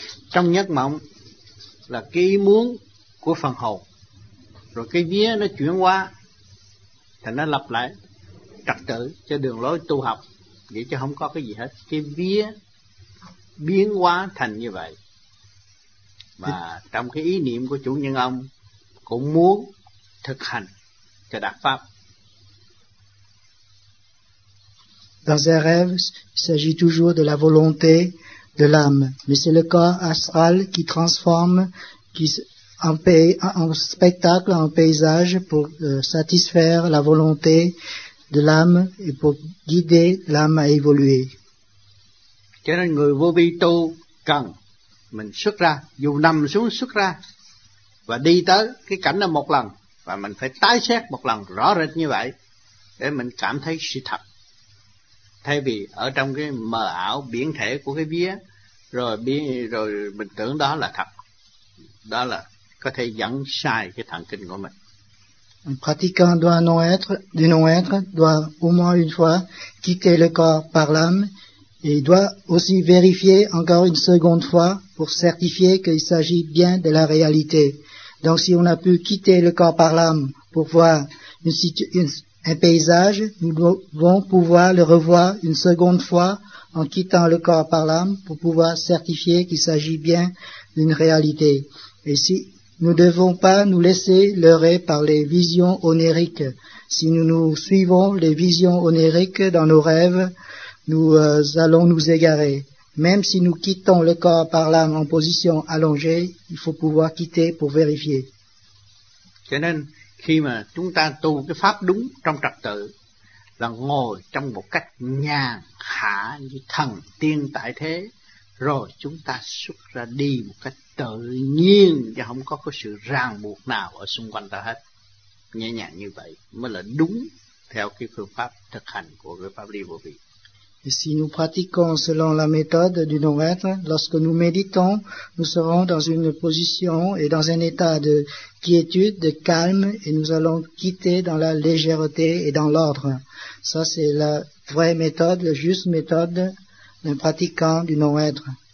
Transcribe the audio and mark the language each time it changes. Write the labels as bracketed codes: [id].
[vi] Trong giấc mộng là cái ý muốn của phần hồn, rồi cái vía nó chuyển qua thì nó lập lại trật tự cho đường lối tu học. Vậy chứ không có cái gì hết. Cái vía biến hóa thành như vậy. Và trong cái ý niệm của chủ nhân ông cũng muốn thực hành cho đạt pháp. [fr] Dans un rêve, il s'agit toujours de la volonté de l'âme. Mais c'est le corps astral qui transforme en spectacle, en paysage pour satisfaire la volonté de l'âme et pour guider l'âme à évoluer. [vi] Cho nên người vô vi tu cần mình xuất ra, dù nằm xuống xuất ra và đi tới cái cảnh đó một lần, và mình phải tái xét một lần rõ rệt như vậy để mình cảm thấy sự thật, thay vì ở trong cái mờ ảo biển thể của cái vía rồi mình tưởng đó là thật, đó là có thể dẫn sai cái thần kinh của mình. [fr] Un pratiquant du non-être doit au moins une fois quitter le corps par l'âme, et il doit aussi vérifier encore une seconde fois pour certifier qu'il s'agit bien de la réalité. Donc si on a pu quitter le corps par l'âme pour voir un paysage, nous devons pouvoir le revoir une seconde fois en quittant le corps par l'âme pour pouvoir certifier qu'il s'agit bien d'une réalité. Et si nous ne devons pas nous laisser leurrer par les visions onériques. Si nous nous suivons les visions onériques dans nos rêves, nous allons nous égarer. Même si nous quittons le corps par l'âme en position allongée, il faut pouvoir quitter pour vérifier. [vi] Cho nên, khi mà chúng ta tu cái pháp đúng trong trật tự, là ngồi trong một cách nhàn hạ như thần tiên tại thế, rồi chúng ta xuất ra đi một cách tự nhiên và không có sự ràng buộc nào ở xung quanh ta hết. Nhẹ nhàng như vậy mới là đúng theo cái phương pháp thực hành của cái pháp lý vô vi. [fr] Et si nous pratiquons selon la méthode du non-être, lorsque nous méditons, nous serons dans une position et dans un état de quiétude, de calme, et nous allons quitter dans la légèreté et dans l'ordre. Ça, c'est la vraie méthode, la juste méthode d'un pratiquant du non-être.